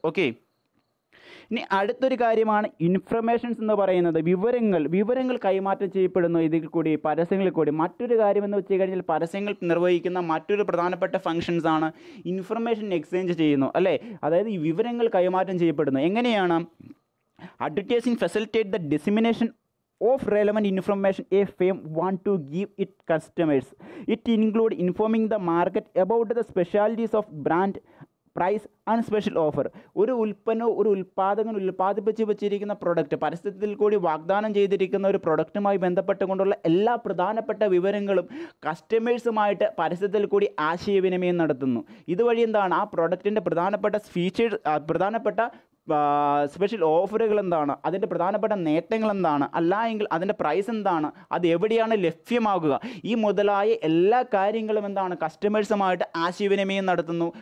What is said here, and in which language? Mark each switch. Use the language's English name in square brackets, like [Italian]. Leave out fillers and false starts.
[Malayalam] Okay, ഇനി അടുത്തൊരു കാര്യമാണ് ഇൻഫർമേഷൻസ് എന്ന് പറയുന്നത്, വിവരങ്ങൾ കൈമാറ്റം ചെയ്യപ്പെടുന്നു ഇതിൽ കൂടി പരസ്യങ്ങളിൽ കൂടി. മറ്റൊരു കാര്യമെന്ന് വെച്ച് കഴിഞ്ഞാൽ പരസ്യങ്ങൾ നിർവഹിക്കുന്ന മറ്റൊരു പ്രധാനപ്പെട്ട ഫംഗ്ഷൻസ് ആണ് ഇൻഫർമേഷൻ എക്സ്ചേഞ്ച് ചെയ്യുന്നു അല്ലേ. അതായത് ഈ വിവരങ്ങൾ കൈമാറ്റം ചെയ്യപ്പെടുന്നു. എങ്ങനെയാണ് [English] Advertising facilitate the dissemination of relevant information a firm want to give its customers. It include informing the market about the specialties of brand, price and special offer. [Malayalam] ഒരു ഉൽപ്പന്നവും ഒരു ഉൽപ്പാദകൻ ഉൽപ്പാദിപ്പിച്ച് വെച്ചിരിക്കുന്ന പ്രൊഡക്റ്റ്, പരിസ്ഥിതിയിൽ കൂടി വാഗ്ദാനം ചെയ്തിരിക്കുന്ന ഒരു പ്രൊഡക്റ്റുമായി ബന്ധപ്പെട്ടുകൊണ്ടുള്ള എല്ലാ പ്രധാനപ്പെട്ട വിവരങ്ങളും കസ്റ്റമേഴ്സുമായിട്ട് പരിസ്ഥിതിയിൽ കൂടി ആശയവിനിമയം നടത്തുന്നു. ഇതുവഴി എന്താണ് ആ പ്രൊഡക്റ്റിൻ്റെ പ്രധാനപ്പെട്ട ഫീച്ചേഴ്സ്, പ്രധാനപ്പെട്ട സ്പെഷ്യൽ ഓഫറുകൾ എന്താണ്, അതിൻ്റെ പ്രധാനപ്പെട്ട നേട്ടങ്ങൾ എന്താണ്, അല്ലായെങ്കിൽ അതിൻ്റെ പ്രൈസ് എന്താണ്, അത് എവിടെയാണ് ലഭ്യമാകുക, ഈ മുതലായ എല്ലാ കാര്യങ്ങളും എന്താണ് കസ്റ്റമേഴ്സുമായിട്ട് ആശയവിനിമയം നടത്തുന്നു.